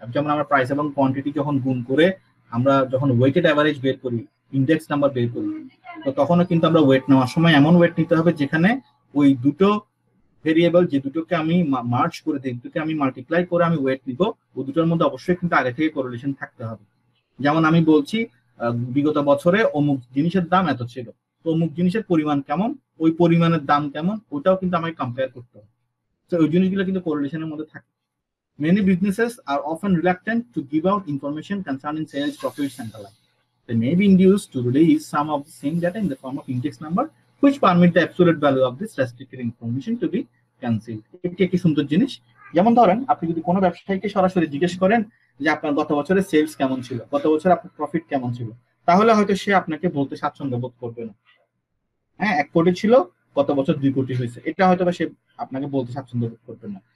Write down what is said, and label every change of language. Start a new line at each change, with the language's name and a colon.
Bangla: যেমন আমরা প্রাইস এবং কোয়ান্টিটি যখন গুণ করে আমরা যখন ওয়েটেড অ্যাভারেজ বের করি, ইন্ডেক্স নাম্বার বের করি, তো তখনও কিন্তু আমরা ওয়েট নেওয়ার সময় এমন ওয়েট নিতে হবে যেখানে ওই দুটো ভেরিয়েবল যে দুটোকে আমি মার্চ করে দিই, দুটোকে আমি মাল্টিপ্লাই করে আমি ওয়েট নিব, ওই দুটোর মধ্যে অবশ্যই কিন্তু আগে থেকে কোরিলেশন থাকতে হবে। যেমন আমি বলছি বিগত বছরে অমুক জিনিসের দাম এত ছিল, তো অমুক জিনিসের পরিমাণ কেমন, ওই পরিমাণের দাম কেমন, ওটাও কিন্তু আমাকে কম্পেয়ার করতে হবে। তো ওই জিনিসগুলো কিন্তু কোরিলেশনের মধ্যে থাকে।
English: Many businesses are often reluctant to give out information concerning sales, profits, and the like. They may be induced to release some of the same data in the form of index number, which permit the absolute value of this restricted information to be concealed.
Bangla: এটা কি সুন্দর জিনিস? যেমন ধরেন আপনি যদি কোনো ব্যবসায়ীকে সরাসরি জিজ্ঞেস করেন যে আপনার গত বছরের সেলস কেমন ছিল, গত বছর আপনার প্রফিট কেমন ছিল, তাহলে হয়তো সে আপনাকে বলতে স্বাচ্ছন্দ্য বোধ করবে না। হ্যাঁ, 1 কোটি ছিল, গত বছর 2 কোটি হয়েছে, এটা হয়তো সে আপনাকে বলতে স্বাচ্ছন্দ্য বোধ করবে না।